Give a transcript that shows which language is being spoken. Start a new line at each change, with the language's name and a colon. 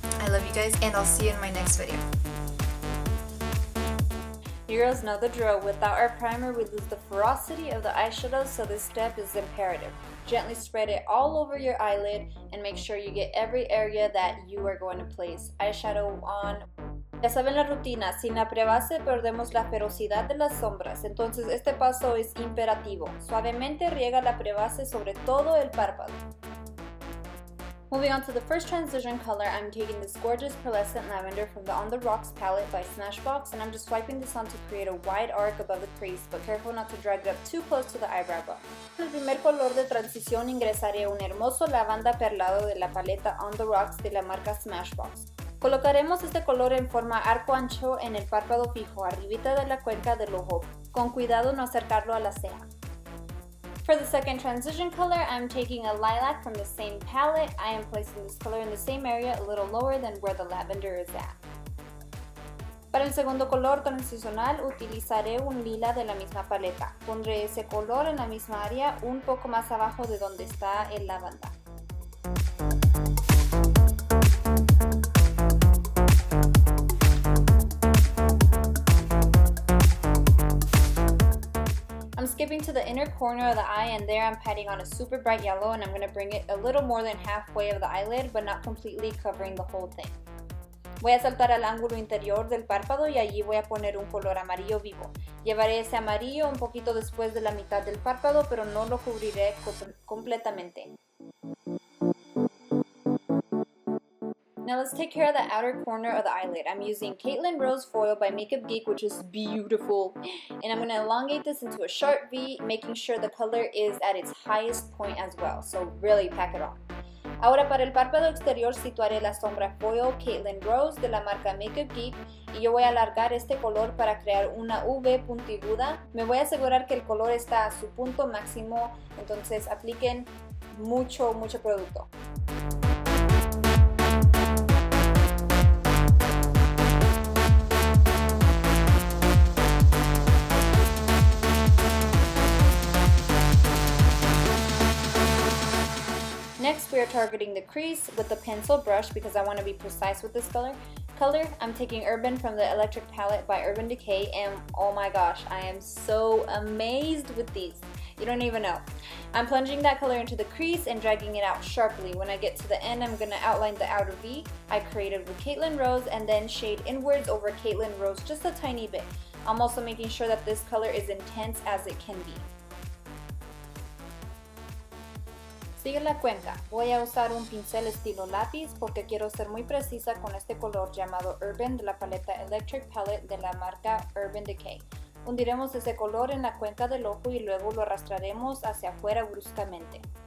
English: I love you guys, and I'll see you in my next video. You girls know the drill. Without our primer, we lose the ferocity of the eyeshadow, so this step is imperative. Gently spread it all over your eyelid and make sure you get every area that you are going to place eyeshadow on.
Spanish: Ya saben la rutina, sin la prebase perdemos la ferocidad de las sombras, entonces este paso es imperativo. Suavemente riega la prebase sobre todo el párpado.
English: Moving on to the first transition color, I'm taking this gorgeous pearlescent lavender from the On The Rocks palette by Smashbox, and I'm just swiping this on to create a wide arc above the crease, but careful not to drag it up too close to the eyebrow bone.
Spanish: El primer color de transición ingresaré un hermoso lavanda perlado de la paleta On The Rocks de la marca Smashbox. Colocaremos este color en forma arco ancho en el párpado fijo, arribita de la cuenca del ojo, con cuidado no acercarlo a la ceja.
English: For the second transition color, I'm taking a lilac from the same palette. I am placing this color in the same area, a little lower than where the lavender is at.
Spanish: Para el segundo color transicional, utilizaré un lila de la misma paleta. Pondré ese color en la misma área, un poco más abajo de donde está el lavanda.
English: I'm skipping to the inner corner of the eye, and there I'm patting on a super bright yellow, and I'm going to bring it a little more than halfway of the eyelid, but not completely covering the whole thing.
Spanish: Voy a saltar al ángulo interior del párpado y allí voy a poner un color amarillo vivo. Llevaré ese amarillo un poquito después de la mitad del párpado, pero no lo cubriré completamente.
English: Now let's take care of the outer corner of the eyelid. I'm using Caitlyn Rose Foil by Makeup Geek, which is beautiful. And I'm going to elongate this into a sharp V, making sure the color is at its highest point as well. So really pack it on.
Spanish: Ahora para el párpado exterior situaré la sombra Foil Caitlyn Rose de la marca Makeup Geek. Y yo voy a alargar este color para crear una V puntiaguda. Me voy a asegurar que el color está a su punto máximo. Entonces apliquen mucho, mucho producto.
English: Next, we are targeting the crease with the pencil brush because I want to be precise with this color. I'm taking Urban from the Electric Palette by Urban Decay, and oh my gosh, I am so amazed with these. You don't even know. I'm plunging that color into the crease and dragging it out sharply. When I get to the end, I'm going to outline the outer V I created with Caitlyn Rose and then shade inwards over Caitlyn Rose just a tiny bit. I'm also making sure that this color is intense as it can be.
Spanish: Sigue la cuenca. Voy a usar un pincel estilo lápiz porque quiero ser muy precisa con este color llamado Urban de la paleta Electric Palette de la marca Urban Decay. Hundiremos ese color en la cuenca del ojo y luego lo arrastraremos hacia afuera bruscamente.